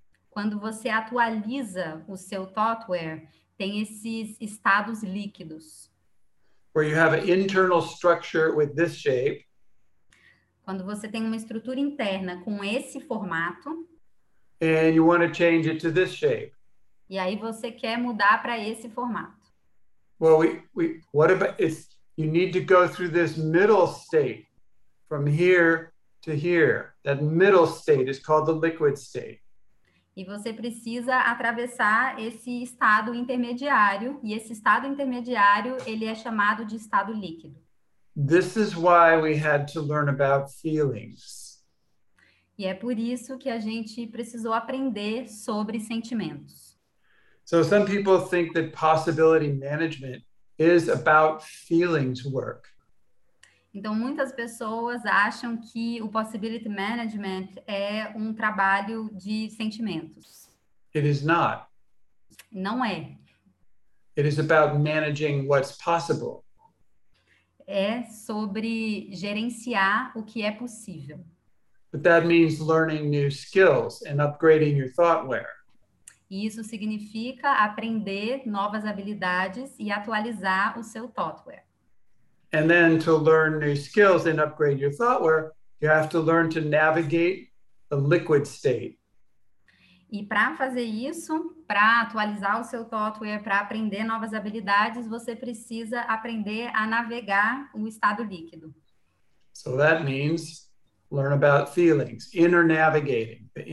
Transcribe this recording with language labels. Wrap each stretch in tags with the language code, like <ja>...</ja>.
<pt>Quando você atualiza o seu thoughtware, tem esses estados líquidos.</pt> <en>Where you have an internal structure with this shape.</en> <pt>Quando você tem uma estrutura interna com esse formato.</pt> <en>And you want to change it to this shape.</en> <pt>E aí você quer mudar para esse formato.</pt> <en>Well, what about it's you need to go through this middle state from here to here. That middle state is called the liquid state.</en> <pt>E você precisa atravessar esse estado intermediário. E esse estado intermediário, ele é chamado de estado líquido.</pt> <en>This is why we had to learn about feelings.</en> <pt>E é por isso que a gente precisou aprender sobre sentimentos.</pt> <en>So some people think that possibility management is about feelings work.</en> <pt>Então muitas pessoas acham que o possibility management é um trabalho de sentimentos.</pt> <en>It is not.</en> <pt>Não é.</pt> <en>It is about managing what's possible.</en> <pt>É sobre gerenciar o que é possível.</pt> <en>But that means learning new skills and upgrading your thoughtware.</en> <pt>Isso significa aprender novas habilidades e atualizar o seu thoughtware.</pt> <en>And then to learn new skills and upgrade your thoughtware, you have to learn to navigate the liquid state.</en> <pt>E para fazer isso, para atualizar o seu thoughtware, para aprender novas habilidades, você precisa aprender a navegar o estado líquido.</pt> <en>So that means learn about feelings, inner navigating.</en>